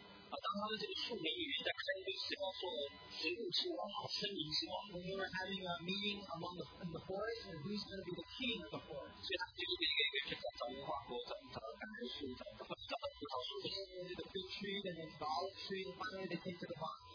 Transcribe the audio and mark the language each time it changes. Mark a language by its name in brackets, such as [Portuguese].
[Chinese] 当他们这个树林里面在开会，是要说植物是王，森林是王。 [English] When they were having a meeting among the in the forest, and who's going to be the king of the forest? [Chinese] 所以他们就一个就找无花果，找橄榄树，找葡萄树。 [English] The big tree, then the olive tree, and finally they came to the vine.